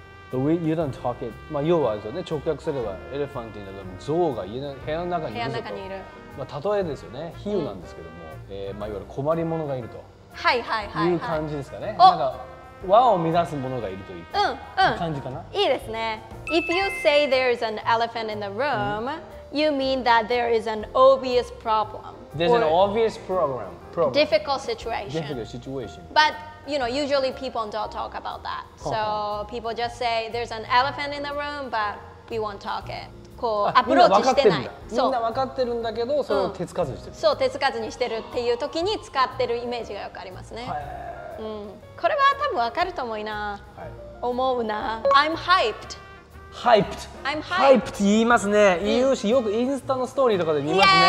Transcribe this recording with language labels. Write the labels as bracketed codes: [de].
[en] But we, you don't talk it。 [ja] まあ要はですよね、直訳すれば [en] Elephant in the room、 [ja] 象が家の部屋の中にいる。まあ例えですよね、比喩なんですけども、まあいわゆる困り者がいると、はいはいはい、はい、いう感じですかね。なんか和を乱すものがいるという感じかな、いいですね。 [en] If you say there's an elephant in the room、you mean that there is an obvious problem。 There's an obvious problem, problem. Difficult situation. Difficult situation. But you know, usually people don't talk about that. So people just say there's an elephant in the room, but we won't talk it。 [ja] こうアプローチしてない。みんな分かってるんだけど、それを手つかずにしてる、そう、手つかずにしてるっていう時に使ってるイメージがよくありますね、はい、これは多分分かると思いな、はい、思うな。 [en] I'm hyped。 Hyped。 I'm hyped。 [ja] Hyped 言いますね、言うし、よくインスタのストーリーとかで見ますね。